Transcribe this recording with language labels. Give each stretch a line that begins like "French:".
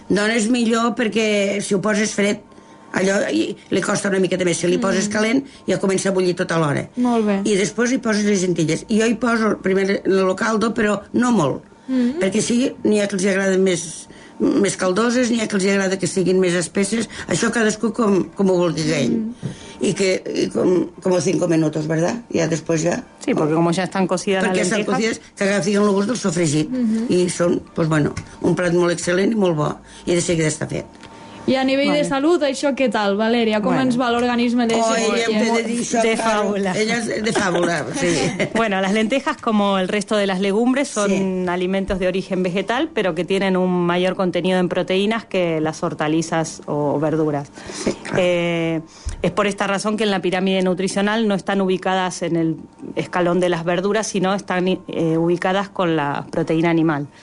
Catalan: Doncs és millor perquè si ho poses fred, allò li costa una miqueta més. Si li poses calent, ja comença a bullir tota l'hora. Molt bé. I després hi poses les llentilles. I jo hi poso primer el caldo, però no molt. Mm-hmm. Perquè sí, n'hi ha que els agraden més caldoses, n'hi ha que els agrada que siguin més espesses. Això cadascú com ho vulgui ell. I que, com a 5 minuts, ¿verdad? Ja després ja... Sí, perquè com ja estan cocides les lentejas... Perquè estan cocides, que agafin el gust del sofregit. Uh-huh. I són, pues bueno, un plat molt excel·lent i molt bo. I de seguida està fet. I a nivell de salut, això què tal, Valeria? Com ens va l'organisme de... De fàbula, sí.
Spanish: Bueno, las lentejas, como el resto de las legumbres, son alimentos de origen vegetal, pero que tienen un mayor contenido en proteínas que las hortalizas o verduras. Sí, claro. Es por esta razón que en la pirámide nutricional no están ubicadas en el escalón de las verduras, sino están ubicadas con la proteína animal.